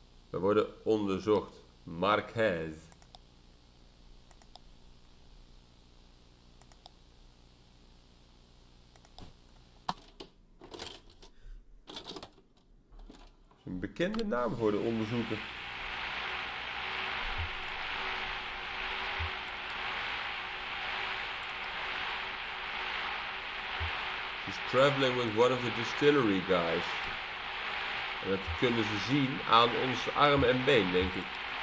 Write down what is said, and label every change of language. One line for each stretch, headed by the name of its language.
Dutch: We worden onderzocht. Marquez. Bekende naam voor de onderzoeker.
English: She's traveling with one of the distillery guys.
Dutch: En dat kunnen ze zien aan onze arm en been, denk ik.